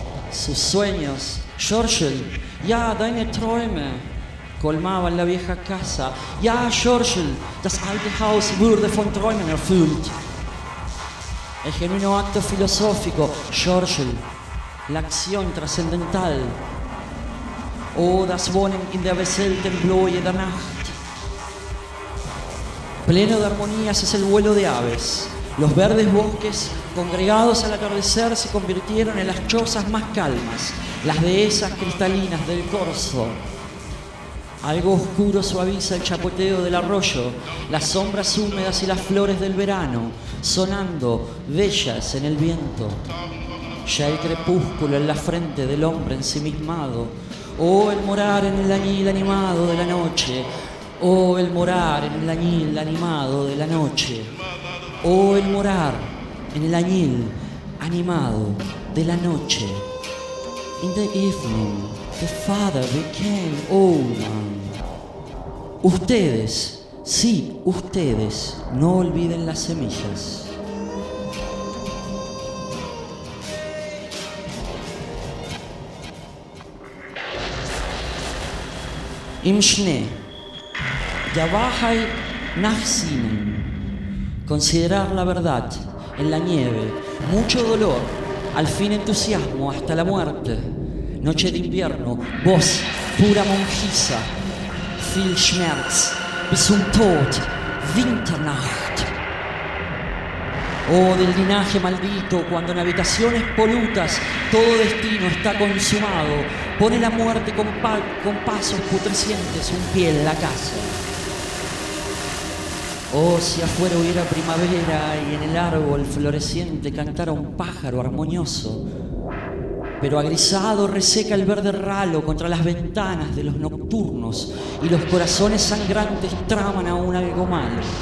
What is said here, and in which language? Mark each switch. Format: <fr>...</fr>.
<es>Sus sueños,</es> <de>Georgel, ya deine Träume,</de> <es>colmaban la vieja casa, ya</es> <de>Georgel, das alte Haus wurde von Träumen erfüllt.</de> <es>El genuino acto filosófico, Georgel, la acción trascendental.</es> <de>Oh, das Wohnen in der beseelten Blühe der Nacht.</de> <es>Pleno de armonías es el vuelo de aves. Los verdes bosques congregados al atardecer se convirtieron en las chozas más calmas, las dehesas cristalinas del corso. Algo oscuro suaviza el chapoteo del arroyo, las sombras húmedas y las flores del verano, sonando bellas en el viento. Ya el crepúsculo en la frente del hombre ensimismado, oh, el morar en el añil animado de la noche, oh, el morar en el añil animado de la noche. Oh, el morar en el añil animado de la noche.</es> <en>In the evening, the father became old man.</en> <es>Ustedes, sí, ustedes, no olviden las semillas.</es> <de>Im Schnee, der Wahrheit nachsinnen.</de> <es>Considerar la verdad en la nieve, mucho dolor, al fin entusiasmo hasta la muerte. Noche de invierno, voz pura monjiza,</es> <de>viel Schmerz bis zum Tod, Winternacht.</de> <es>Oh, del linaje maldito, cuando en habitaciones polutas todo destino está consumado, pone la muerte con pasos putrescientes un pie en la casa. Oh, si afuera hubiera primavera y en el árbol floreciente cantara un pájaro armonioso, pero agrisado reseca el verde ralo contra las ventanas de los nocturnos y los corazones sangrantes traman aún algo mal.</es>